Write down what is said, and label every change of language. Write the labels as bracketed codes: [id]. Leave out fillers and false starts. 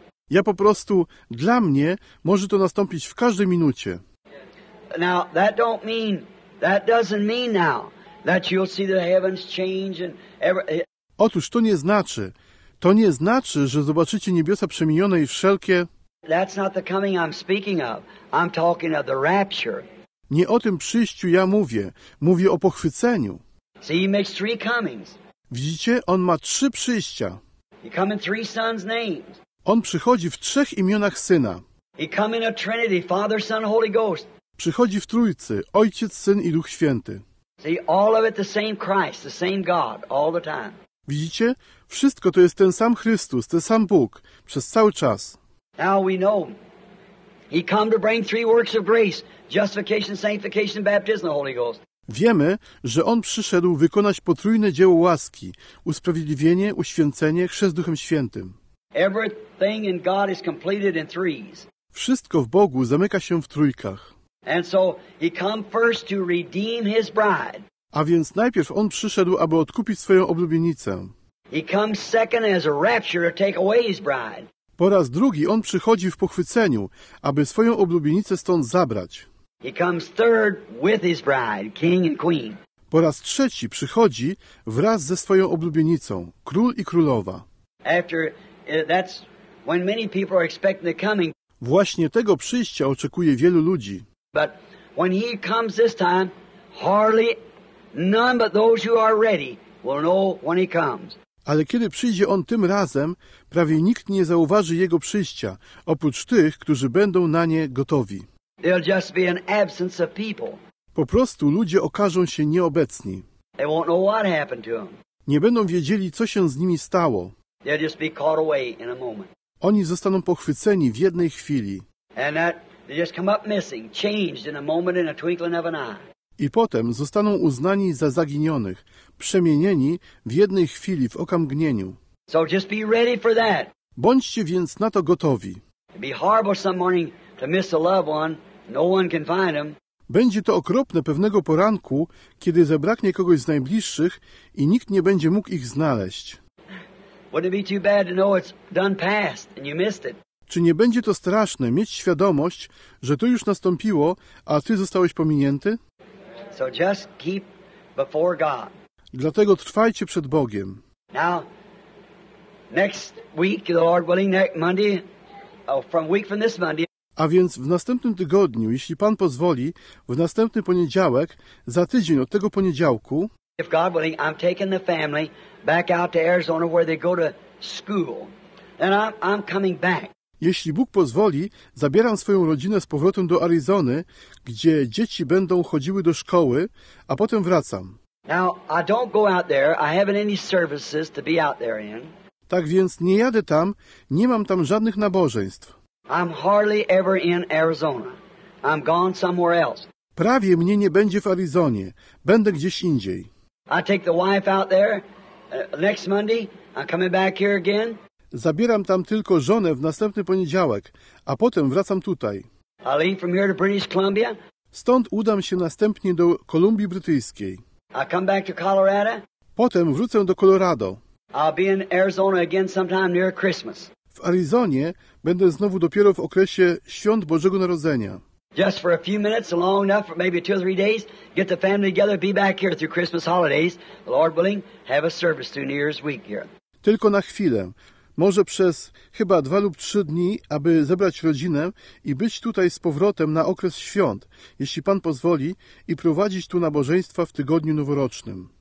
[pl] Ja po prostu, dla mnie, może to nastąpić w każdej minucie. [en] Now, that doesn't mean now that you'll see the heavens change and [pl] Otóż to nie znaczy. To nie znaczy, że zobaczycie niebiosa przemienione i wszelkie. [en] That's not the coming I'm speaking of. I'm talking of the rapture. [pl] Nie o tym przyjściu ja mówię. Mówię o pochwyceniu. [en] See, he makes three comings. [pl] Widzicie? On ma trzy przyjścia. [en] He come in three sons' names. [pl] On przychodzi w trzech imionach Syna. [en] He come in a Trinity, Father, Son, Holy Ghost. [pl] Przychodzi w Trójcy, Ojciec, Syn i Duch Święty. [en] See, all of it the same Christ, the same God, all the time. [pl] Widzicie? Wszystko to jest ten sam Chrystus, ten sam Bóg, przez cały czas. [en] Now we know, he come to bring three works of grace, justification, sanctification, baptism, the Holy Ghost. [pl] Wiemy, że on przyszedł wykonać potrójne dzieło łaski, usprawiedliwienie, uświęcenie, chrzest Duchem Świętym. [en] Everything in God is completed in threes. [pl] Wszystko w Bogu zamyka się w trójkach. [en] And so he come first to redeem his bride. [pl] A więc najpierw on przyszedł, aby odkupić swoją oblubienicę. [en] He come second as a rapture to take away his bride. [pl] Po raz drugi on przychodzi w pochwyceniu, aby swoją oblubienicę stąd zabrać. [en] He comes third with his bride, king and queen. [pl] Po raz trzeci przychodzi wraz ze swoją oblubienicą, król i królowa. [en] After that's when many people are expecting the coming. [pl] Właśnie tego przyjścia oczekuje wielu ludzi. [en] But when he comes this time, hardly none but those who are ready will know when he comes. [pl] Ale kiedy przyjdzie on tym razem, prawie nikt nie zauważy jego przyjścia, oprócz tych, którzy będą na nie gotowi. [en] There'll just be an absence of people. [pl] Po prostu ludzie okażą się nieobecni. [en] They won't know what happened to them. [pl] Nie będą wiedzieli, co się z nimi stało. [en] They'll just be caught away in a moment. [pl] Oni zostaną pochwyceni w jednej chwili. [en] And they just come up missing, changed in a moment, in a twinkling of an eye. [pl] I potem zostaną uznani za zaginionych, przemienieni w jednej chwili, w okamgnieniu. [en] So just be ready for that. [pl] Bądźcie więc na to gotowi. [en] It'd be horrible some morning to miss a loved one. No one can find him. [pl] Będzie to okropne pewnego poranku, kiedy zabraknie kogoś z najbliższych i nikt nie będzie mógł ich znaleźć. [en] Wouldn't it be too bad to know it's done past and you missed it? [pl] Czy nie będzie to straszne mieć świadomość, że to już nastąpiło, a ty zostałeś pominięty? [en] So just keep before God. [pl] Dlatego trwajcie przed Bogiem. [en] Now, next week, the Lord willing, next Monday, from week from this Monday. [pl] A więc w następnym tygodniu, jeśli Pan pozwoli, w następny poniedziałek, za tydzień od tego poniedziałku. [en] If God willing, I'm taking the family back out to Arizona where they go to school, and I'm coming back. [pl] Jeśli Bóg pozwoli, zabieram swoją rodzinę z powrotem do Arizony, gdzie dzieci będą chodziły do szkoły, a potem wracam. [en] Now, I don't go out there. I haven't any services to be out there in. [pl] Tak więc nie jadę tam, nie mam tam żadnych nabożeństw. [en] I'm hardly ever in Arizona. I'm gone somewhere else. [pl] Prawie mnie nie będzie w Arizonie. Będę gdzieś indziej. [en] I take the wife out there next Monday. I'm coming back here again. [pl] Zabieram tam tylko żonę w następny poniedziałek, a potem wracam tutaj. [en] I'll leave from here to British Columbia. [pl] Stąd udam się następnie do Kolumbii Brytyjskiej. [en] I'll come back to Colorado. [pl] Potem wrócę do Colorado. [en] I'll be in Arizona again sometime near Christmas. [pl] W Arizonie będę znowu dopiero w okresie świąt Bożego Narodzenia. [en] Just for a few minutes, long enough, maybe two or three days, get the family together, be back here through Christmas holidays. Lord willing, have a service through New Year's week here. [pl] Tylko na chwilę. Może przez chyba 2 lub 3 dni, aby zebrać rodzinę i być tutaj z powrotem na okres świąt, jeśli Pan pozwoli, i prowadzić tu nabożeństwa w tygodniu noworocznym.